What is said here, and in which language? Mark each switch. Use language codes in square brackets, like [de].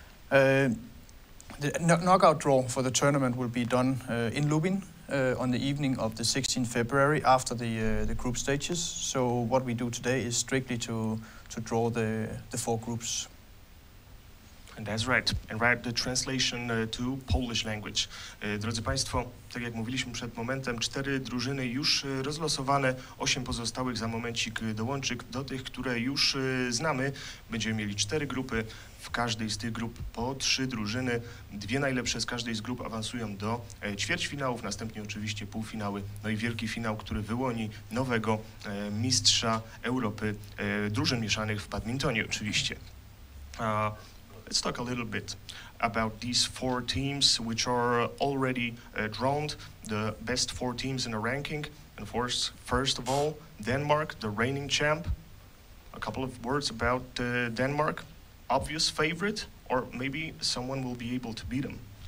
[en] The knockout draw for the tournament will be done in Lubin on the evening of the 16th February after the group stages. So what we do today is strictly to draw the four groups. That's right. And write the translation to Polish language. [pl] Drodzy Państwo, tak jak mówiliśmy przed momentem, cztery drużyny już rozlosowane, osiem pozostałych za momencik dołączy do tych, które już znamy. Będziemy mieli cztery grupy, w każdej z tych grup po trzy drużyny. Dwie najlepsze z każdej z grup awansują do ćwierćfinałów, następnie oczywiście półfinały, no i wielki finał, który wyłoni nowego mistrza Europy drużyn mieszanych w badmintonie oczywiście. [en] Let's talk a little bit about these four teams which are already drawn, the best four teams in the ranking. And of course, first of all, Denmark, the reigning champ. A couple of words about Denmark. Obvious favorite, or maybe someone will be able to beat them.